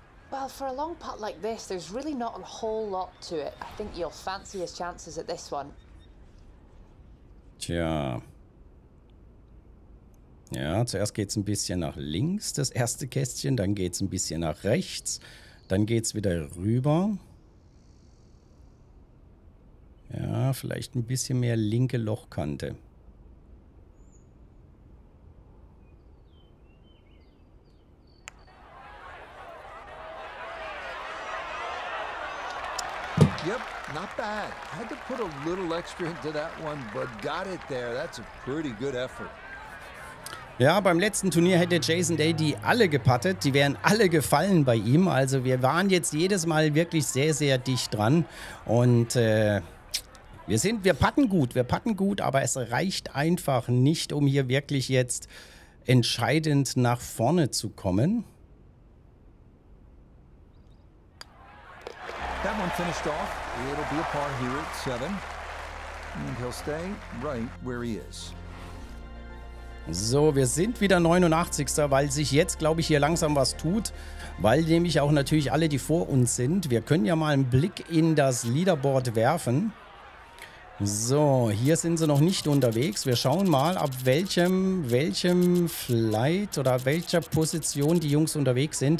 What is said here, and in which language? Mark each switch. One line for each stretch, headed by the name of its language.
English: Well, for a long putt like this, there's really not a whole lot to it. I think you'll fancy his chances at this one.
German: Tja. Ja, zuerst geht's ein bisschen nach links, das erste Kästchen, dann geht's ein bisschen nach rechts, dann geht's wieder rüber. Ja, vielleicht ein bisschen mehr linke Lochkante.
English: Yep, not bad. I had to put a little extra into that one, but got it there. That's a pretty good effort.
German: Ja, beim letzten Turnier hätte Jason Day die alle gepattet. Die wären alle gefallen bei ihm. Also wir waren jetzt jedes Mal wirklich sehr, sehr dicht dran. Und wir patten gut, aber es reicht einfach nicht, um hier wirklich jetzt entscheidend nach vorne zu kommen.
English: That one finished off. It'll be a par here at 7. And he'll stay right where he is.
German: So, wir sind wieder 89. Weil sich jetzt, glaube ich, hier langsam was tut. Weil nämlich auch natürlich alle, die vor uns sind. Wir können ja mal einen Blick in das Leaderboard werfen. So, hier sind sie noch nicht unterwegs. Wir schauen mal, ab welchem Flight oder welcher Position die Jungs unterwegs sind.